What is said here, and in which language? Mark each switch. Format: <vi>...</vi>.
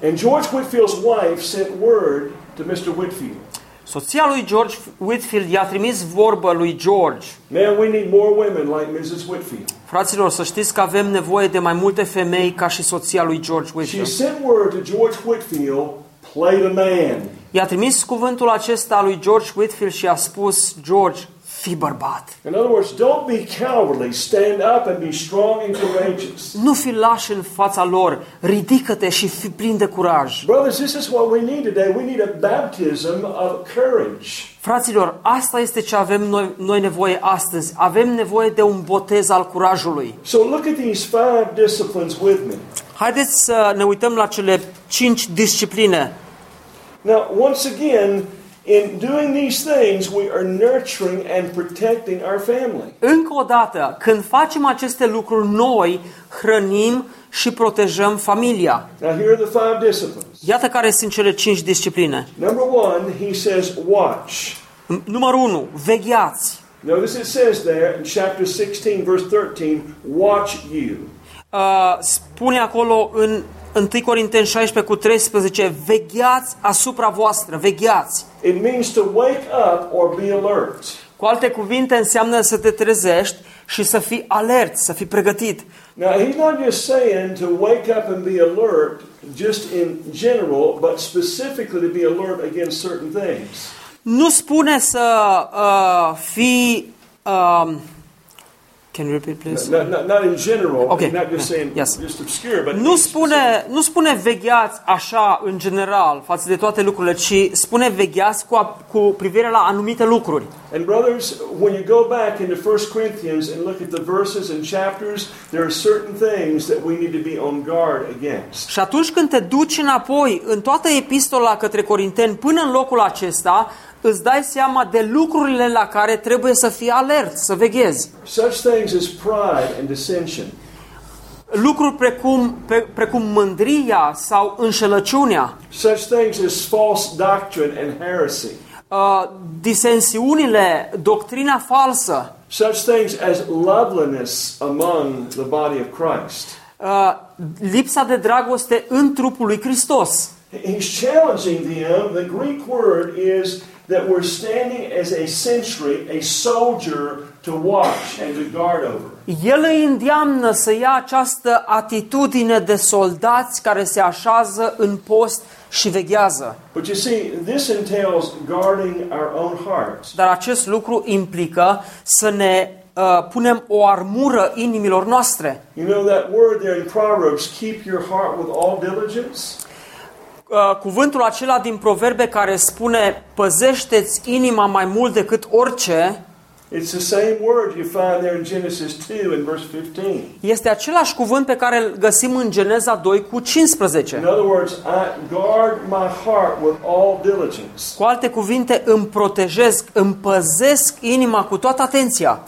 <en>And George Whitefield's wife sent word to Mr. Whitefield.</en> <ro>Soția lui George Whitefield i-a trimis vorbă lui George.</ro> <en>Man, we need more women like Mrs. Whitefield.</en> <ro>Fraților, să știți că avem nevoie de mai multe femei ca și soția lui George Whitefield.</ro> <en>She sent word to George Whitefield, play the man.</en> <ro>I-a trimis cuvântul acesta lui George Whitefield și a spus, George, fii bărbat.</ro> <en>In other words, don't be cowardly, stand up and be strong and courageous.</en> <ro>Nu fi laș în fața lor, ridică-te și fi plin de curaj.</ro> <en>Brothers, this is what we need today. We need a baptism of courage.</en> <ro>Fraților, asta este ce avem noi nevoie astăzi. Avem nevoie de un botez al curajului.</ro> <en>So look at these five disciplines with me.</en> <ro>Haideți să ne uităm la cele 5 discipline.</ro> <en>Now, once again, in doing these things, we are nurturing and protecting our family.</en> <ro>Încă o dată, când facem aceste lucruri, noi hrănim și protejăm familia.</ro> <en>Now, here are the five disciplines.</en> <ro>Iată care sunt cele 5 discipline.</ro> <en>Number one, he says, watch.</en> <ro>Numărul 1, vegheați.</ro> <en>Notice it says there in chapter 16, verse 13, watch you.</en> <ro>Spune acolo în 1 Corinteni 16:13, vegheați asupra voastră, vegheați.</ro> <en>It means to wake up or be alert.</en> <ro>Cu alte cuvinte, înseamnă să te trezești și să fii alert, să fii pregătit.</ro> <en>Now, he's not just saying to wake up and be alert just in general, but specifically to be alert against certain things.</en> <ro>Nu spune să fii</ro> <en>can you repeat please? Not in general, okay. Not just saying yes. Just obscure, but</en> <ro>nu spune vegheați așa în general față de toate lucrurile, ci spune vegheați cu privire la anumite lucruri.</ro> <en>And brothers, when you go back into 1 Corinthians and look at the verses and chapters, there are certain things that we need to be on guard against.</en> <ro>Și atunci când te duci înapoi în toată epistola către Corinteni până în locul acesta, îți dai seama de lucrurile la care trebuie să fii alert, să veghezi.</ro> <en>Such things as pride and dissension.</en> <ro>Lucruri precum mândria sau înșelăciunea.</ro> <en>Such things as false doctrine and heresy.</en> <ro>Disensiunile, doctrina falsă.</ro> <en>Such things as loveliness among the body of Christ.</en> <ro>Lipsa de dragoste în trupul lui Hristos.</ro> <en>He's challenging them. The Greek word is that we're standing as a sentry, a soldier to watch and to guard over.</en> <ro>El îi îndeamnă să ia această atitudine de soldați care se așează în post și veghează.</ro> <en>But you see, this entails guarding our own hearts.</en> <ro>Dar acest lucru implică să ne punem o armură inimilor noastre.</ro> <en>You know that word there in Proverbs, keep your heart with all diligence?</en> <ro>Cuvântul acela din Proverbe care spune păzește-ți inima mai mult decât orice.</ro> <en>It's the same word you find there in Genesis 2 in verse 15.</en> <ro>Este același cuvânt pe care îl găsim în Geneza 2 cu 15.</ro> <en>In other words, I guard my heart with all diligence.</en> <ro>Cu alte cuvinte, îmi protejesc, îmi păzesc inima cu toată atenția.</ro>